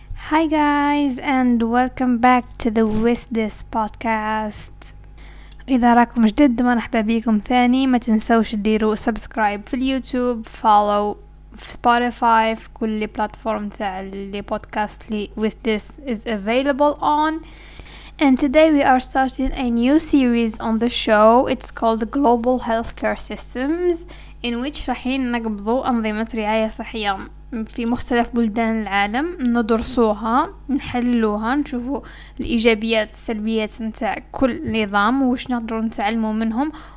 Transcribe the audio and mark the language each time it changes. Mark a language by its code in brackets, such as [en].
[en] Hi guys and welcome back to the With This podcast. [ar] إذا راكم جدد مرحبا بكم ثاني, ما تنسوش تديروا سبسكرايب في اليوتيوب, فولو في سبوتيفاي, في كل بلاتفورم تاع لي بودكاست لي [en] With This is available on. And today we are starting a new series on the show. It's called Global Healthcare Systems, in which [ar] رحين نقبضوا أنظمة رعاية صحية في مختلف بلدان العالم, ندرسوها, نحللوها, نشوفوا الإيجابيات السلبيات نتاع كل نظام وش نقدروا نتعلموا منهم